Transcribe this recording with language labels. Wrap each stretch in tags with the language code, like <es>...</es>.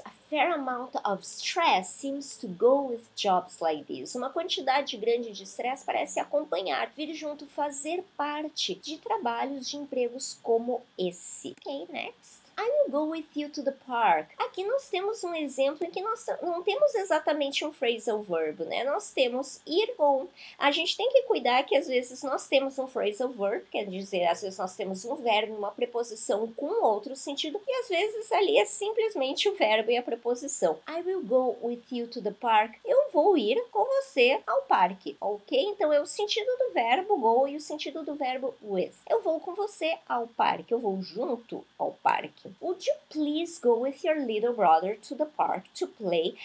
<en>A fair amount of stress seems to go with jobs like this.</en> <pt>Uma quantidade grande de stress parece acompanhar, vir junto, fazer parte de trabalhos de empregos como esse.</pt> <en>Ok, next. I will go with you to the park.</en> <pt>Aqui nós temos um exemplo em que nós não temos exatamente um phrasal verb, né? Nós temos ir com. A gente tem que cuidar que às vezes nós temos um phrasal verb, quer dizer, às vezes nós temos um verbo, uma preposição com outro sentido, e às vezes ali é simplesmente o verbo e a preposição.</pt> <en>I will go with you to the park.</en> <pt>Eu vou ir com você ao parque, ok? Então é o sentido do verbo go e o sentido do verbo with. Eu vou com você ao parque, eu vou junto ao parque.</pt> <en>Would you please go with your little brother to the park to play?</en>